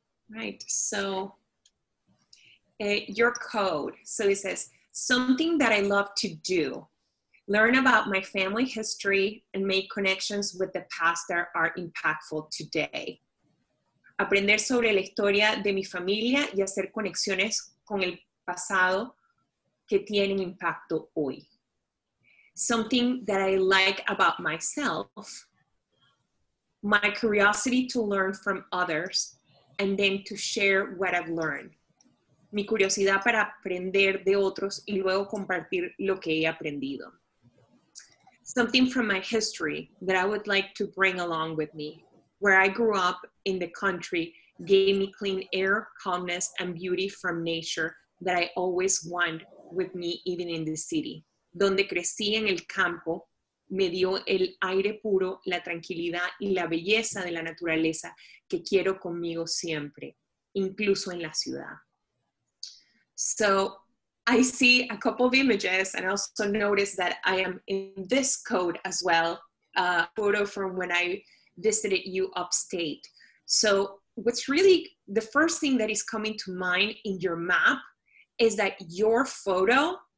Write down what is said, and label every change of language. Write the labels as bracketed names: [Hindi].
[English] Right. So your code. So it says, something that I love to do: learn about my family history and make connections with the past that are impactful today. [Spanish] Aprender sobre la historia de mi familia y hacer conexiones con el pasado que tienen impacto hoy. [English] Something that I like about myself: my curiosity to learn from others and then to share what I've learned. [Spanish] Mi curiosidad para aprender de otros y luego compartir lo que he aprendido. [English] Something from my history that I would like to bring along with me. Where I grew up in the country gave me clean air, calmness, and beauty from nature that I always want with me, even in the city. [Spanish] Donde crecí en el campo, me dio el aire puro, la tranquilidad y la belleza de la naturaleza que quiero conmigo siempre, incluso en la ciudad. [English] So I see a couple of images, and I also noticed that I am in this code as well, a photo from when I visited you upstate. So what's really the first thing that is coming to mind in your map is that your photo